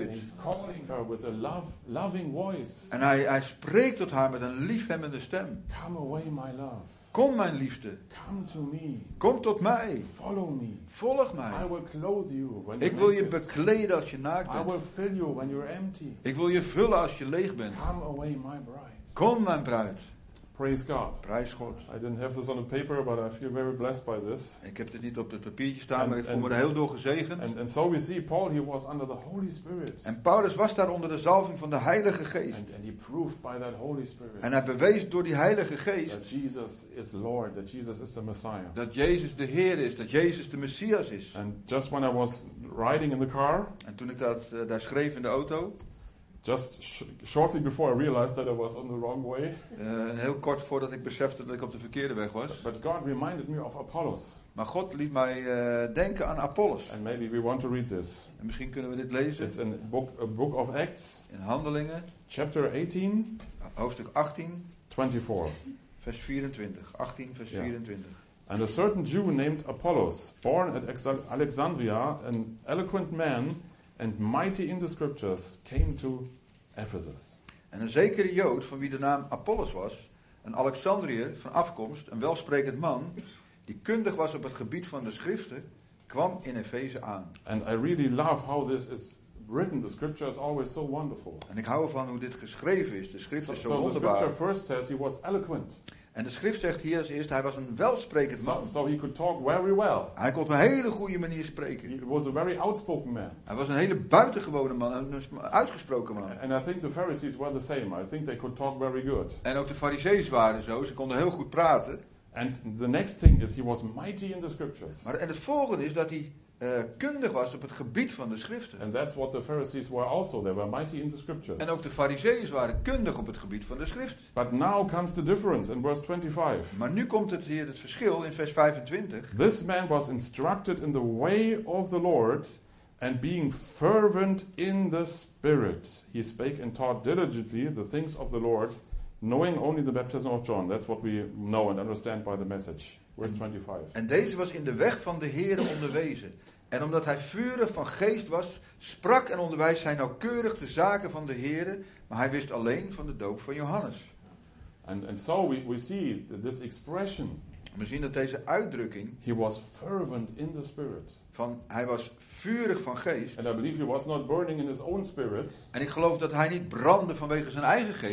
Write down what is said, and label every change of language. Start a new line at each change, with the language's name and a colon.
English: And he's calling her with a loving voice.
Dutch: En hij spreekt tot haar met een liefhebbende stem.
English: Come away, my love.
Dutch: Kom mijn liefde.
English: Come to me.
Dutch: Kom tot mij.
English: Follow me.
Dutch: Volg mij.
English: I will clothe you when
Dutch: ik wil je bekleden als je naakt bent.
English: I will fill you when you're empty.
Dutch: Ik wil je vullen als je leeg bent.
English: Come away, my bride.
Dutch: Kom mijn bruid.
English: Praise God.
Dutch: Prijs God.
English: I didn't have this on the paper, but I feel very blessed by this.
Dutch: Ik heb dit niet op het papiertje staan, maar ik voel me er heel door gezegend.
English: And so we see Paul, he was under the Holy Spirit.
Dutch: En Paulus was daar onder de zalving van de Heilige Geest.
English: And he proved by that Holy Spirit.
Dutch: En hij bewees door die Heilige Geest.
English: That Jesus is Lord, that Jesus is the Messiah.
Dutch: Dat Jezus de Heer is, dat Jezus de Messias is.
English: And just when I was riding in the car.
Dutch: En toen ik daar schreef in de auto.
English: Just shortly before I realized that I was on the wrong way.
Dutch: En heel kort voordat ik besefte dat ik op de verkeerde weg was.
English: But God reminded me of Apollos.
Dutch: Maar God liet mij denken aan Apollos.
English: And maybe we want to read this.
Dutch: En misschien kunnen we dit lezen.
English: It's in a book of Acts.
Dutch: In Handelingen.
English: Chapter 18.
Dutch: Hoofdstuk 18. 24. Vers 24. 18 vers yeah. 24.
English: And a certain Jew named Apollos, born at Alexandria, an eloquent man and mighty in the scriptures, came to Ephesus.
Dutch: En een zekere Jood, van wie de naam Apollos was, een Alexandriër van afkomst, een welsprekend man, die kundig was op het gebied van de schriften, kwam in Efeze aan.
English: And I really love how this is written. The scripture is always so wonderful.
Dutch: En ik hou ervan hoe dit geschreven is. De schrift is zo wonderbaar.
English: So the scripture first says he was eloquent.
Dutch: En de schrift zegt hier als eerst, hij was een welsprekend man.
English: So he could talk very well.
Dutch: Hij kon op een hele goede manier spreken.
English: He was a very outspoken man.
Dutch: Hij was een hele buitengewone man, een uitgesproken man.
English: And I think the Pharisees were the same. I think they could talk very good.
Dutch: En ook de Farizeeën waren zo, ze konden heel goed praten.
English: And the next thing is he was mighty in the scriptures.
Dutch: Maar en het volgende is dat hij kundig was op het gebied van de schriften.
English: And that's what the Pharisees were also. They were mighty in the scriptures.
Dutch: En ook de Farizeeën waren kundig op het gebied van de schrift.
English: But now comes the difference in verse 25.
Dutch: Maar nu komt het hier het verschil in vers 25.
English: This man was instructed in the way of the Lord and being fervent in the spirit. He spake and taught diligently the things of the Lord, knowing only the baptism of John. That's what we know and understand by the message. Verse 25.
Dutch: En deze was in de weg van de Heer onderwezen. En omdat hij vurig van geest was, sprak en onderwijs hij nauwkeurig de zaken van de Heer, maar hij wist alleen van de doop van Johannes.
English: And so we see this expression.
Dutch: We zien dat deze uitdrukking.
English: He was fervent in the spirit.
Dutch: Van hij was vurig van geest.
English: And I believe he was not burning in his own spirit.
Dutch: En ik geloof dat hij niet brandde vanwege zijn eigen geest.